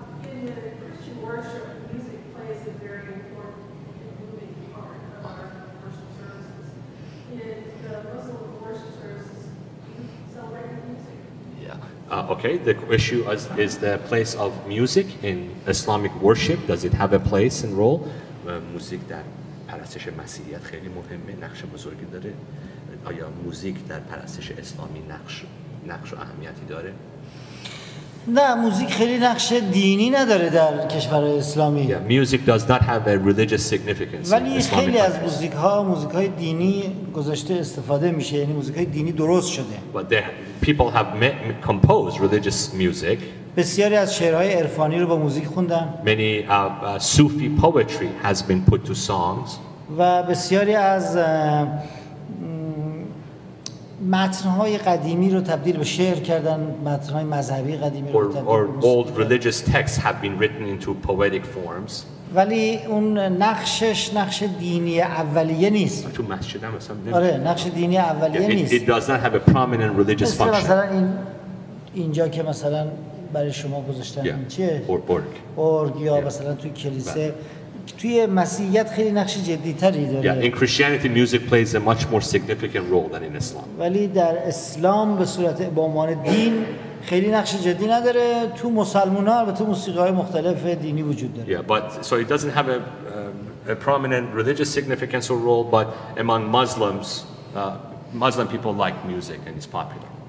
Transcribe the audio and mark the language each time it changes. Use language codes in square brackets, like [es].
[en] in the Christian worship, music plays a very important and moving part of our worship services. In the Muslim worship services, do you celebrate the music? Yeah. Okay, the issue is the place of music in Islamic worship. Does it have a place and role? Music that... [fa] پرستش مسیحیت خیلی مهمه، نقش بزرگی داره. آیا موزیک در پرستش اسلامی نقش و اهمیتی داره؟ نه، موزیک خیلی نقش دینی نداره در کشور اسلامی. [en] Yeah, music does not have a religious significance. [fa] ولی خیلی از موزیک ها موزیک های دینی گذاشته استفاده میشه، یعنی موزیک های دینی درست شده. [en] But people have composed religious music. [fa] بسیاری از شعرهای عرفانی رو با موزیک خوندن. [en] Many Sufi poetry has been put to songs. [fa] و بسیاری از متن‌های قدیمی رو تبدیل به شعر کردن، متن‌های مذهبی قدیمی رو تبدیل به شعر. [en] Or old religious texts have been written into poetic forms. [fa] ولی اون نقشش نقش دینی اولیه نیست. تو مسجد هم مثلا آره، نقش دینی اولیه نیست. [en] It does not have a prominent religious function. [fa] مثلا این اینجا که مثلا برای شما گذاشتن yeah. چیه؟ اورگ. اورگ یا مثلا توی کلیسه right. توی مسیحیت خیلی نقش جدی‌تری داره. [en] Yeah. In Christianity music plays a much more significant role than in Islam. [fa] ولی در اسلام به صورت به عنوان دین خیلی نقش جدی نداره، تو مسلمان‌ها البته موسیقی‌های مختلف دینی وجود داره. [en] Yeah, but so it doesn't have a prominent religious significance or role, but among Muslims, Muslim people like music and it's popular.